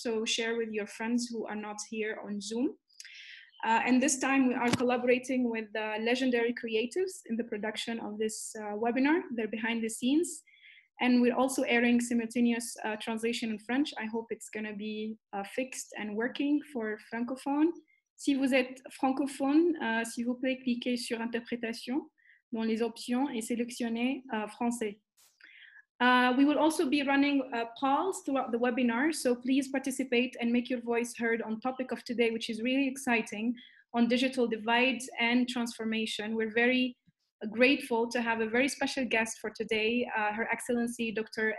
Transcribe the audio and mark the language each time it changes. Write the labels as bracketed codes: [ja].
[en] So share with your friends who are not here on Zoom. And this time we are collaborating with the legendary creatives in the production of this webinar. They're behind the scenes. And we're also airing simultaneous translation in French. I hope it's gonna be fixed and working for Francophone. [fr] Si vous êtes francophone, s'il vous plaît, cliquez sur Interprétation dans les options et sélectionnez Français. [en] We will also be running polls throughout the webinar, so please participate and make your voice heard on topic of today, which is really exciting, on digital divide and transformation. We're very grateful to have a very special guest for today, Her Excellency Dr.